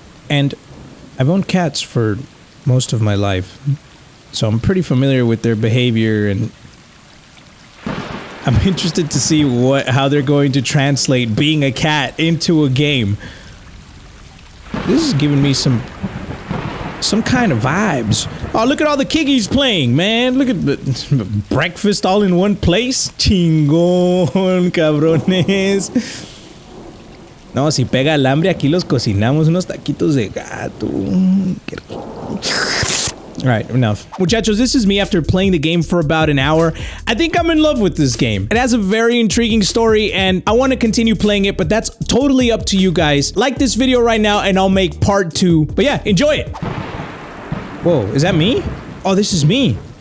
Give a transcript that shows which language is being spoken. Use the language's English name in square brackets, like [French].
[English] And I've owned cats for most of my life, so I'm pretty familiar with their behavior, and I'm interested to see how they're going to translate being a cat into a game. This is giving me some kind of vibes. Oh, look at all the kiggies playing, man. Look at the breakfast all in one place. [Spanish] Chingón, cabrones. No, si pega el hambre, aquí los cocinamos unos taquitos de gato. Qué rico. [English] All right, enough. Muchachos, this is me after playing the game for about an hour. I think I'm in love with this game. It has a very intriguing story, and I want to continue playing it, but that's totally up to you guys. Like this video right now, and I'll make part two. But yeah, enjoy it. Whoa, is that me? Oh, this is me.